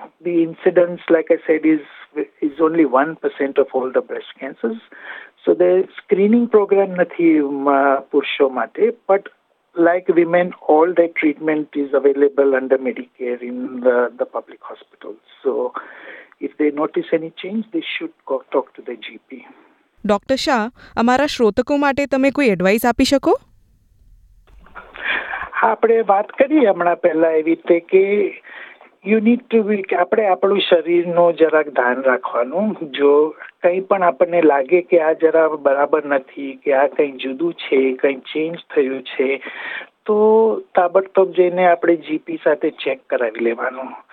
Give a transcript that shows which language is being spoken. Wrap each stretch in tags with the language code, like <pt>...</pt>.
<en>The incident like I said is only 1% of all the breast cancers. So there screening program</en> <gu>નથી પુરુષો માટે.</gu> <en>But like women, all their treatment is available under Medicare in the public hospitals. So if they notice any change, they should go talk to their GP. Dr.</en> <gu>Shah, અમારા શ્રોતકો માટે તમે કોઈ advice આપી શકો? હા, આપણે વાત કરી હમણાં પહેલા એવી રીતે કે</gu> <en>you need to be,</en> <gu>કે આપણે આપણું શરીરનું જરાક ધ્યાન રાખવાનું. જો કંઈ પણ આપણને લાગે કે આ જરા બરાબર નથી, કે આ કંઈ જુદું છે, કંઈ ચેન્જ થયું છે, તો તાબડતોબ જઈને આપણે જીપી સાથે ચેક કરાવી લેવાનું.</gu>